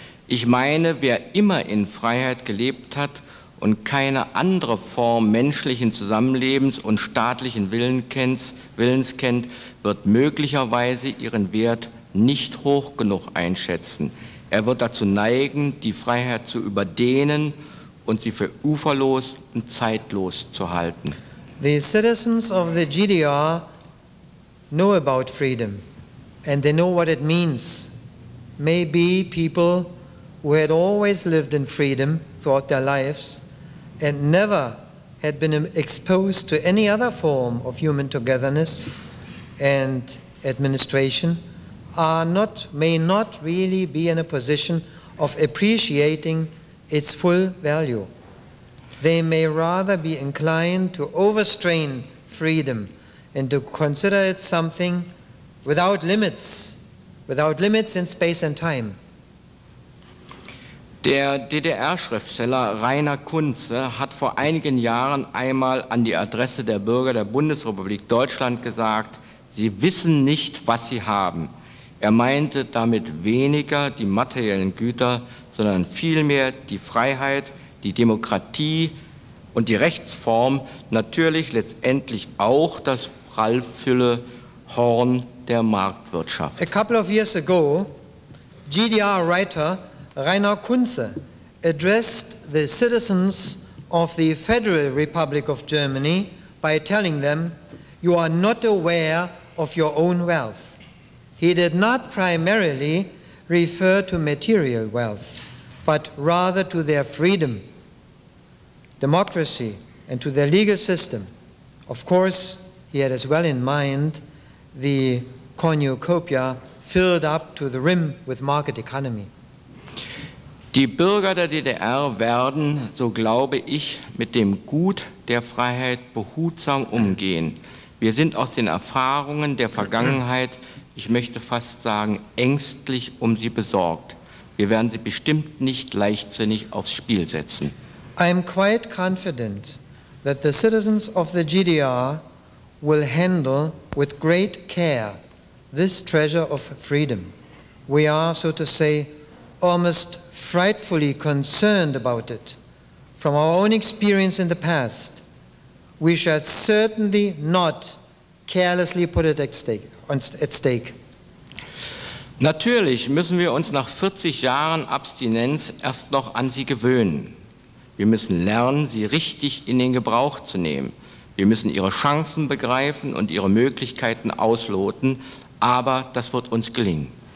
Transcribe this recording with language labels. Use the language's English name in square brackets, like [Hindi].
[German] Ich meine, wer immer in Freiheit gelebt hat und keine andere Form menschlichen Zusammenlebens und staatlichen Willens kennt, wird möglicherweise ihren Wert nicht hoch genug einschätzen. Er wird dazu neigen, die Freiheit zu überdehnen und sie für uferlos und zeitlos zu halten. [English] The citizens of the GDR know about freedom, and they know what it means. Maybe people who had always lived in freedom throughout their lives and never had been exposed to any other form of human togetherness and administration may not really be in a position of appreciating its full value. They may rather be inclined to overstrain freedom and to consider it something without limits in space and time. [German] Der DDR-Schriftsteller Rainer Kunze hat vor einigen Jahren einmal an die Adresse der Bürger der Bundesrepublik Deutschland gesagt, sie wissen nicht, was sie haben. Er meinte damit weniger die materiellen Güter, sondern vielmehr die Freiheit, die Demokratie und die Rechtsform, natürlich letztendlich auch das prallfülle Horn der Marktwirtschaft. [English] A couple of years ago, GDR writer Rainer Kunze addressed the citizens of the Federal Republic of Germany by telling them, you are not aware of your own wealth. He did not primarily refer to material wealth, but rather to their freedom, democracy, and to their legal system. Of course, he had as well in mind the cornucopia filled up to the rim with market economy. [German] Die Bürger der DDR werden, so glaube ich, mit dem Gut der Freiheit behutsam umgehen. Wir sind aus den Erfahrungen der Vergangenheit, ich möchte fast sagen, ängstlich um sie besorgt. Wir werden sie bestimmt nicht leichtsinnig aufs Spiel setzen. [English] I am quite confident that the citizens of the GDR will handle with great care this treasure of freedom. We are, so to say, almost frightfully concerned about it. From our own experience in the past, we shall certainly not carelessly put it at stake. [German] Natürlich müssen wir uns nach 40 Jahren Abstinenz erst noch an sie gewöhnen. Wir müssen lernen, sie richtig in den Gebrauch zu nehmen. Wir müssen ihre Chancen begreifen und ihre Möglichkeiten ausloten, aber das wird uns gelingen.